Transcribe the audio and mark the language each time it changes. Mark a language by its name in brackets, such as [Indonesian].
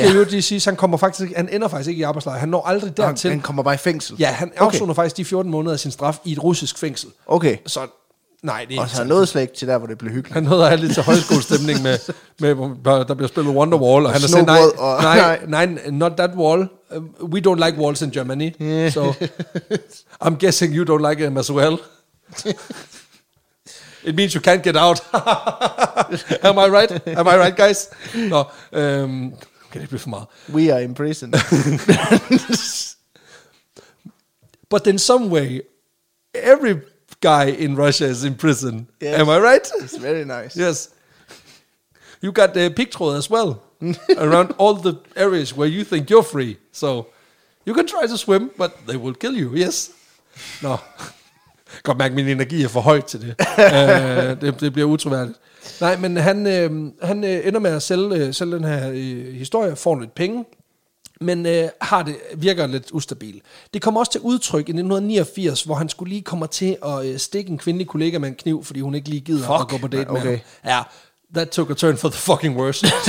[Danish] Det skal jo lige sige, han ender faktisk ikke i arbejdslejr. Han når aldrig dertil. Han kommer bare i fængsel. Ja, han afsoner faktisk de 14 måneder af sin straf i et russisk fængsel. Okay. Så nej, det er ikke. Og så nåede slet ikke til der, hvor det blev hyggeligt. Han nåede aldrig lidt til højskolestemning med der bliver spillet Wonderwall, og han har sagt [English] nej, not that wall. We don't like walls in Germany. Yeah. So I'm guessing you don't like them as well. It means you can't get out. Am I right? Am I right, guys? [Danish] Nå, kan det blive for meget? [English] We are in prison. But in some way, every guy in Russia is in prison. Yes. Am I right? It's very nice. Yes. You got the pigtråd as well. around all the areas where you think you're free. So you can try to swim, but they will kill you, yes. [Danish] Nå. Godt mærke, min energi er for højt til det. Det bliver utroværdigt. Nej, men han ender med at sælge den her historie, får lidt penge, men virker lidt ustabil. Det kommer også til udtryk i 1989, hvor han skulle lige komme til at stikke en kvindelig kollega med en kniv, fordi hun ikke lige gider at gå på date med ham. [English] Ja, that took a turn for the fucking worst.